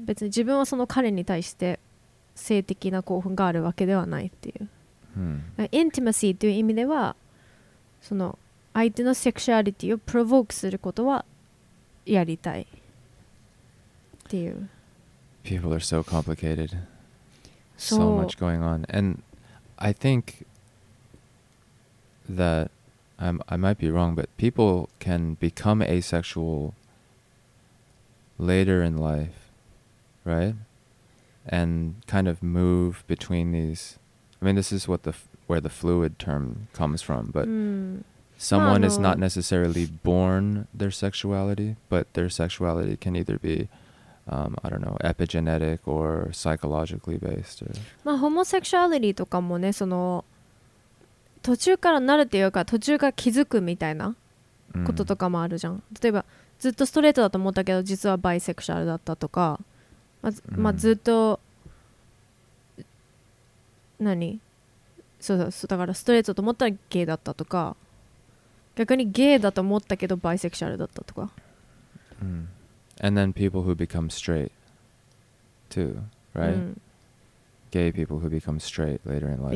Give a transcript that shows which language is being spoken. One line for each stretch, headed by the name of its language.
Japanese: 別に自分はその彼に対して性的な興奮があるわけではないっていう、うん、 intimacy っていう意味では、その相手のセクシュアリティをプロヴォークすることはやりたいっていう。
English: People are so complicatedSo much going on. And I think that I might be wrong, but people can become asexual later in life, right? And kind of move between these. I mean, this is what where the fluid term comes from, but someone is not necessarily born their sexuality, but their sexuality can either be. I don't know, epigenetic or psychologically based. Or...
Japanese: まあ、ホモセクシュアリティとかもね、その途中からなるっていうか途中から気づくみたいなこととかもあるじゃん。 Mm. 例えばずっとストレートだと思ったけど実はバイセクシュアルだったとか、まあ、ずっと、mm. 何そうそうそう、だからストレートと思ったらゲイだったとか、逆にゲイだと思ったけどバイセクシュアルだったとか。 Mm.
English: And then people who become straight, too, right? Mm. Gay people who become straight later in life,